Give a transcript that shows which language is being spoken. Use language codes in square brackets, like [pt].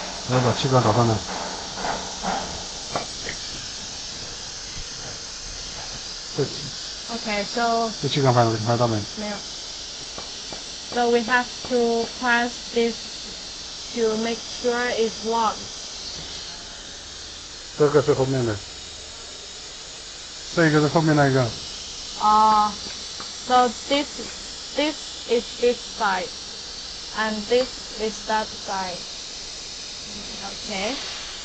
[zh] 来，把气管打上来。 [en] Okay, so. [zh] 这气管翻了，翻到没？没有。 [en] So we have to press this to make sure it's locked. [zh] 这个是后面的，这个是后面那一个。 [en] So this is this side, and this is that side. Okay.